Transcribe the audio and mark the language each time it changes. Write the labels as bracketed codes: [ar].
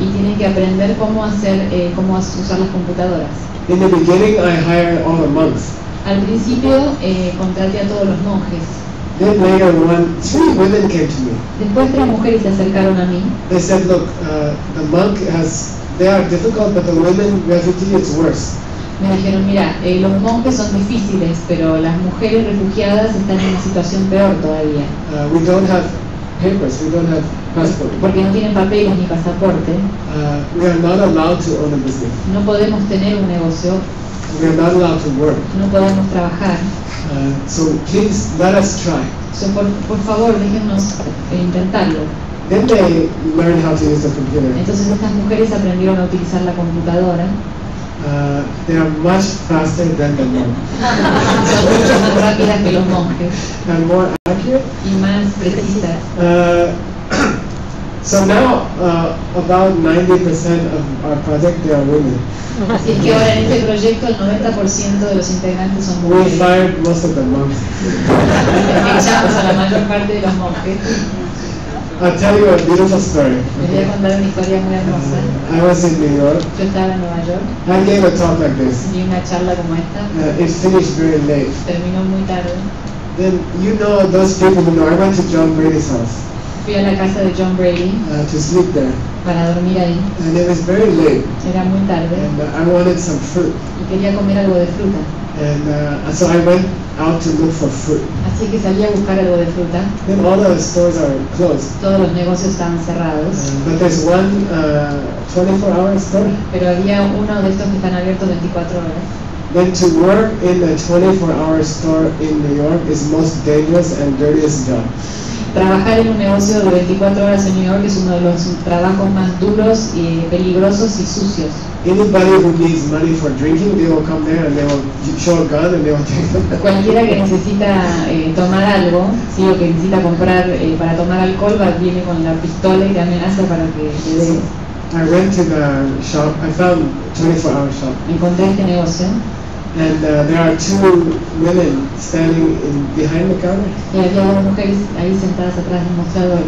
[es] Y tienen que aprender cómo hacer, cómo usar las computadoras. [en] In the beginning, I hired all the monks. [es] Al principio contraté a todos los monjes. [en] Then later one, three women came to me. [es] Después tres mujeres se acercaron a mí. [en] They said, look, the monk has, they are difficult, but the women refugee is worse. [es] Me dijeron, mira, los monjes son difíciles, pero las mujeres refugiadas están en una situación peor todavía. [en] We don't have papers, we don't have passport. [es] Porque no tienen papeles ni pasaporte. [en] We are not allowed to own a business. [es] No podemos tener un negocio. [en] We are not allowed to work. [es] No podemos trabajar. [en] So please let us try. [es] So por favor déjenos intentarlo. [en] Then they learned how to use the computer. [es] Entonces estas mujeres aprendieron a utilizar la computadora. [en] They are much faster than the monks. [es] Son mucho más rápidas que los monjes. [en] And more accurate. [es] Y más precisas. [en] So now about 90% of our project they are women. [es] Así que ahora en este proyecto el 90% de los integrantes son mujeres. [en] We fired most of the monks. [es] Echamos a la mayor parte de los monjes. [en] I'll tell you a beautiful story. [es] Okay. Voy a contar una historia muy hermosa. [en] I was in New York. [es] Yo estaba en Nueva York. [en] I gave a talk like this. [es] Di una charla como esta. [en] It finished very late. [es] Terminó muy tarde. [en] Then you know those people who know. I went to John Brady's house. [es] Fui a la casa de John Brady. [en] To sleep there. [es] Para dormir ahí. [en] And it was very late. [es] Era muy tarde. [en] And I wanted some fruit. [es] Y quería comer algo de fruta. [en] And so I went out to look for fruit. [es] Así que salí a buscar algo de fruta. [en] Then all the stores are closed. [es] Todos los negocios estaban cerrados. [en] But there's one 24-hour store. [es] Pero había uno de estos que están abiertos 24 horas. [en] Then to work in a 24-hour store in New York is most dangerous and dirtiest job. [es] Trabajar en un negocio de 24 horas en New York es uno de los trabajos más duros y peligrosos y sucios. [en] Anybody who needs money for drinking, they will come there and they will show a gun and they will take them. [es] Cualquiera que necesita tomar algo, sí, o que necesita comprar para tomar alcohol, va, viene con la pistola y te amenaza para que te dé. [en] I went to the shop. I found 24-hour shop. [es] Encontré este negocio. [en] And there are two women standing in behind the counter. [es] Y había dos mujeres ahí sentadas atrás del mostrador.